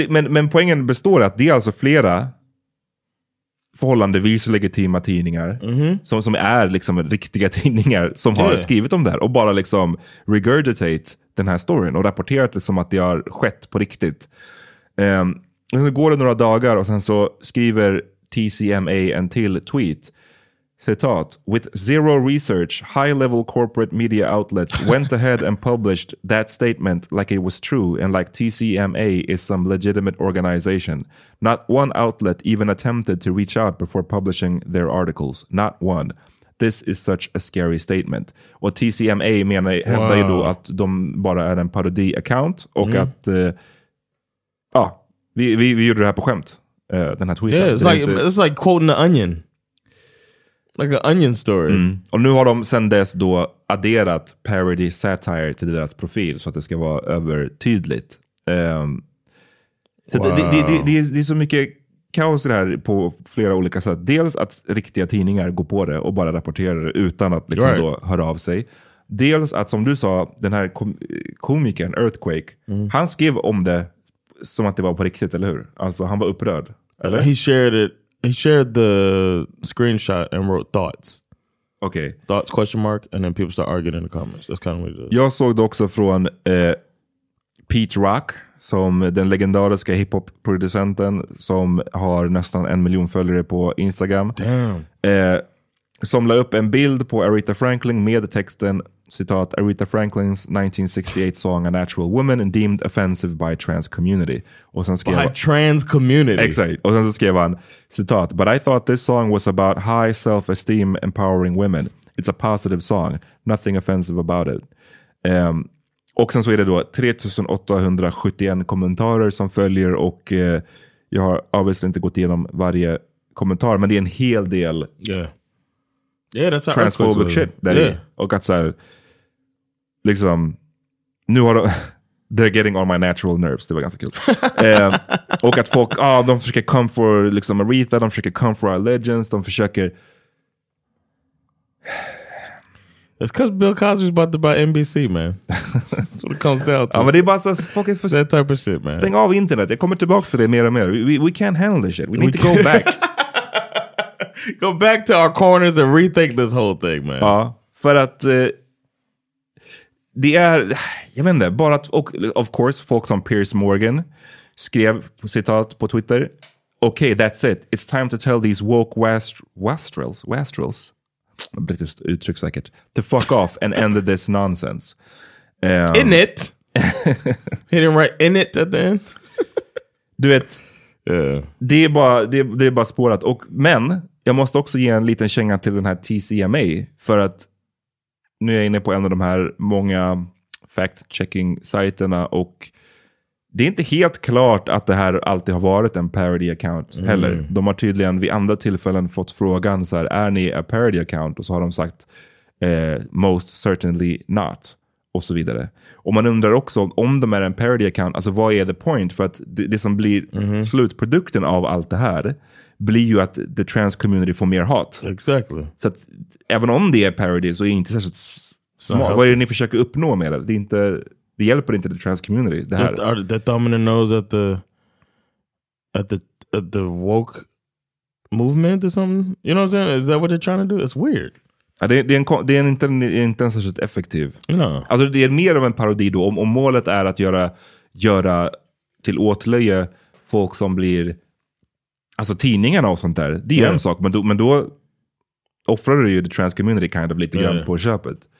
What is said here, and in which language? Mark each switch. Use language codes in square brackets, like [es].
[sv] Men poängen består att det är alltså flera förhållandevis legitima tidningar som är liksom riktiga tidningar som har skrivit om det här och bara liksom regurgitate den här storyn och rapporterat det som att det har skett på riktigt. Sen går det några dagar och sen så skriver TCMA en till tweet. Citat, [en] with zero research, high-level corporate media outlets went ahead and published that statement like it was true and like TCMA is some legitimate organization. Not one outlet even attempted to reach out before publishing their articles. Not one. This is such a scary statement. [sv] Och TCMA hävdar ju då att de bara är en parodi-account och att, vi gjorde det här på skämt, den här tweeten. [en] Yeah, it's like quoting The Onion. Like an onion story. [sv] Och nu har de sen dess då adderat [en] parody satire [sv] till deras profil så att det ska vara övertydligt. Så det är så mycket kaos det här på flera olika sätt. Dels att riktiga tidningar går på det och bara rapporterar det utan att liksom då höra av sig. dels att, som du sa, den här komikern Earthquake, han skrev om det som att det var på riktigt, eller hur? Alltså han var upprörd. Eller? [en] He shared it. He shared the screenshot and wrote thoughts. Okay. Thoughts question mark, and then people start arguing in the comments. That's kind of what it is. [sv] Jag såg det också från Pete Rock, som den legendariska hiphop-producenten som har nästan 1 miljon följare på Instagram. [en] Damn. [sv] Som la upp en bild på Aretha Franklin med texten, citat, [en] Aretha Franklin's 1968 song A Natural Woman and deemed offensive by trans community. [sv] Och sen skrev, [en] by trans community. [sv] Exakt. Och sen så skrev han, citat, but I thought this song was about high self-esteem empowering women. [en] It's a positive song. Nothing offensive about it. [sv] Och sen så är det då 3871 kommentarer som följer, och jag har obviously inte gått igenom varje kommentar, men det är en hel del. [en] Yeah, that's how transphobic shit that is. [sv] Och att så här, liksom, nu har de, [en] they're getting on my natural nerves. [sv] Det var ganska kul. och att folk, de försöker [en] come for [sv] liksom Aretha, de försöker [en] come for our legends, [sv] de försöker. [en] It's because Bill Cosby's about to buy NBC, man. That's what it comes down to. [sv] Ja, men det är bara så fucking [en] för that type of shit, man. [sv] Stäng av internet. Jag kommer tillbaka till det mer och mer. [en] We can't handle this shit. We need to go back. Go back to our corners and rethink this whole thing, man. [sv] Ja, för att det är, jag vet inte, bara att, och [en] of course, [sv] folk som Piers Morgan skrev, citat, på Twitter. [en] Okay, that's it. It's time to tell these woke wastrels. [sv] Brittiskt uttryck säkert. [en] To fuck off and end this nonsense. In it. He didn't write in it at the end. [sv] Du vet. Yeah. Det är bara spårat. Och, men jag måste också ge en liten känga till den här TCMA. För att nu är jag inne på en av de här många fact-checking-sajterna. Och det är inte helt klart att det här alltid har varit en parody account heller. Mm. De har tydligen vid andra tillfällen fått frågan så här, är ni [en] a parody account? [sv] Och så har de sagt, [en] most certainly not. [sv] Och så vidare. Och man undrar också om de är en parody account, alltså vad är [en] the point? [sv] För att det som blir slutprodukten av allt det här blir ju att [en] the trans community [sv] får mer hat. [en] Exactly. [sv] Så att även om det är parody så är det inte särskilt smart. Vad är det ni försöker uppnå med det? Det är inte, det hjälper inte [en] the trans community. [sv] Det här. [en] The dominant nose at the woke movement or something. You know what I'm saying? Is that what they're trying to do? It's weird. [sv] Det är inte särskilt effektiv. [en] No. [sv] Alltså det är mer av en parodi då. Om målet är att göra till åtlöje folk som blir, alltså tidningarna och sånt där. Det är en sak. Men då offrar du ju [en] the trans community kind of [sv] lite grann på köpet.